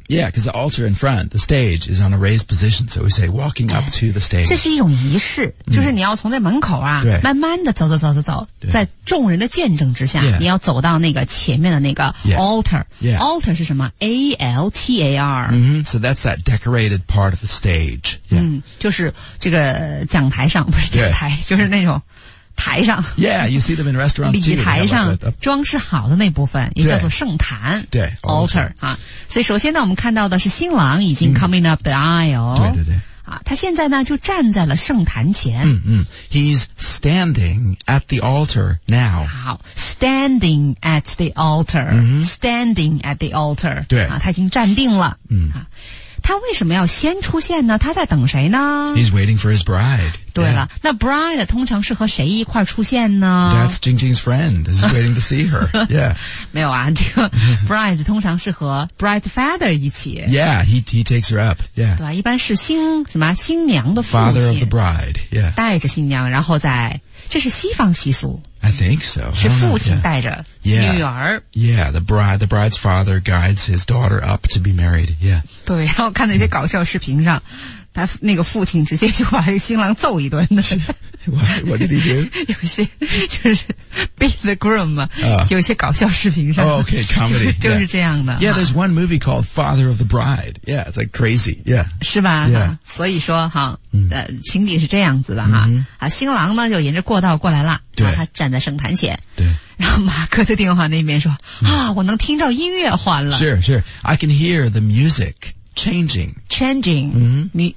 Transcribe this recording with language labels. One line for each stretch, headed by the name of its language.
English: yeah because the altar in front the stage is on a raised position so we say walking up to the stage
Chinese: 这是一种仪式、mm-hmm. 就是你要从那门口啊慢慢的走走走走走在众人的见证之下、
English: yeah.
Chinese: 你要走到那个前面的那个 altar、
English: yeah. Yeah.
Chinese: altar 是什么 A-L-T-A-R、 mm-hmm.
English: so that's that decorated part of the stage、yeah.
Chinese: 嗯、就是这个讲台上不是讲台、
English: yeah.
Chinese: 就是那种台上
English: Yeah, you see them in restaurants too
Chinese: 礼台上装饰好的那部分也叫做圣坛对, 对 Altar、啊、所以首先呢我们看到的是新郎已经
English: coming up the aisle
Chinese: 对对对、啊、他现在呢就站在了圣坛前、
English: 嗯嗯、He's standing at the altar now 好 Standing at the altar、嗯、 Standing at the altar
Chinese: 对、啊、他已经站定了、嗯啊、他为什么要先出现呢他在等谁呢
English: He's waiting for his bride
Chinese: 对了、yeah. 那 bride 通常是和谁一块出现呢
English: That's Jingjing's friend He's waiting to see her Yeah
Chinese: 没有啊这个 bride 通常是和 bride's father 一起
English: Yeah he takes her up Yeah
Chinese: 对吧一般是新什么新娘的父亲
English: Father of the bride Yeah
Chinese: 带着新娘然后再这是西方习俗
English: I think so
Chinese: 是父亲带着女儿
English: Yeah the bride's father guides his daughter up to be married Yeah
Chinese: 对然后看那些搞笑视频上他那个父亲直接就把新郎揍一顿的
English: What did he do?
Chinese: 有些就是
English: beat the groom、
Chinese: 有些搞笑视频上、
English: oh, okay, comedy,
Chinese: 就是这样的
English: Yeah, there's one movie called Father of the Bride Yeah, it's like crazy Yeah,
Chinese: 是吧
English: yeah.、
Chinese: 啊、所以说哈、情景是这样子的哈、 mm-hmm. 啊、新郎呢就沿着过道过来了对他站在圣坛前对然后马克在电话那边说、mm-hmm. 啊，我能听到音乐换了
English: Sure, sure I can hear the musicChanging. Changing.、 Mm-hmm.